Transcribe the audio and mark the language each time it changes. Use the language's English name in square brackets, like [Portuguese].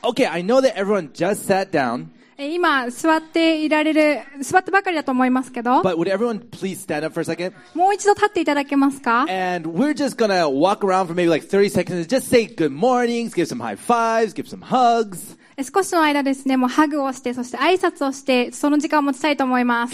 [English] Okay, I know that everyone just sat down. [Japanese] 今座っていられる座ったばかりだと思いますけど。 [English] But would everyone please stand up for a second? [Japanese] もう一度立っていただけますか? [English] And we're just gonna walk around for maybe like 30 seconds and just say good mornings, give some high fives, give some hugs. [Japanese] 少しの間ですね、もうハグをして、そして挨拶をして、その時間を持ちたいと思います。